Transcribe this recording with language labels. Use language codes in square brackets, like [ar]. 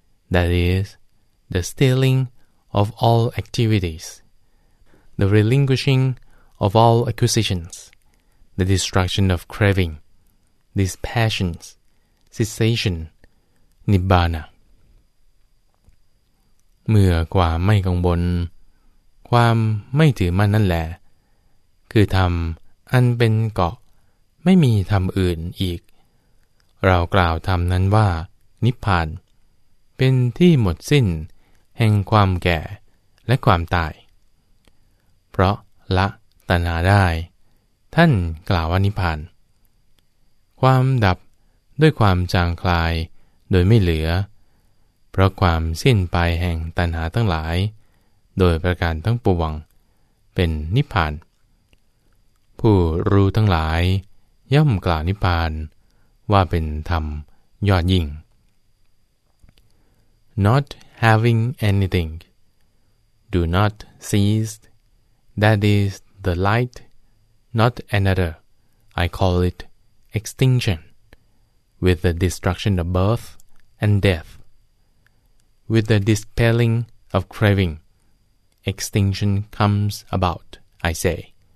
[en] That is the stilling of all activities, the relinquishing of all acquisitions, the destruction of craving, these passions, cessation, nibbana. [th] เมื่อความไม่กังวลความไม่ถือมั่นนั่นแหละคือธรรมอันเป็นเกาะไม่มีธรรมอื่นอีกเรากล่าวธรรมนั้นว่านิพพานเป็นที่หมดสิ้นแห่งความแก่และความตายเพราะละตัณหาได้ท่านกล่าวว่านิพพาน ความดับด้วยความจางคลายโดยไม่เหลือเพราะความสิ้นไปแห่งตัณหาทั้งหลายโดยประการทั้งปวงเป็นนิพพานผู้รู้ทั้งหลายย่อมกล่าวนิพพานว่าเป็นธรรมยอดยิ่ง [en] Not having anything, do not cease, that is the light, not another, I call it extinction, with the destruction of birth and deathWith the dispelling of craving, extinction comes about, I say.